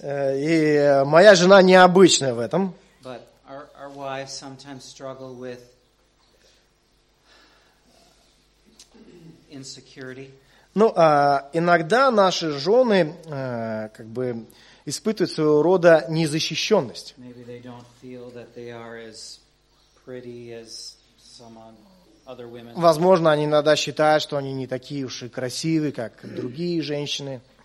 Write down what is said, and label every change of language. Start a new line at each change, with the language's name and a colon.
Russian: И моя жена необычная в этом.
English: But our wives sometimes struggle with insecurity.
Russian: Ну, иногда наши жены как бы испытывают своего рода незащищенность.
English: Maybe they don't feel that they are as pretty as someone.
Russian: Возможно, они иногда считают, что они не такие уж и красивые, как другие женщины.